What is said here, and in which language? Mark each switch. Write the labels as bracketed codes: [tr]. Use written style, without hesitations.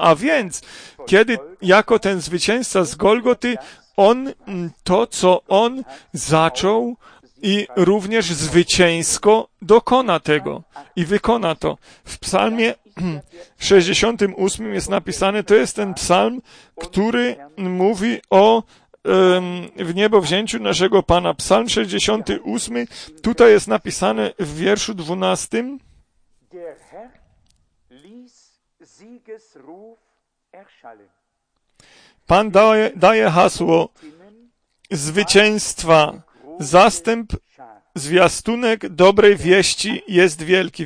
[pl] A więc, kiedy jako ten zwycięzca z Golgoty, on to, co on zaczął i również zwycięsko dokona tego i wykona to. W psalmie 68 jest napisane, to jest ten psalm, który mówi o wniebowzięciu naszego Pana. Psalm 68, tutaj jest napisane w wierszu 12. [de] Der Herr ließ Siegesruf erschallen. [pl] Pan daje hasło zwycięstwa. Zastęp, zwiastunek dobrej wieści jest wielki.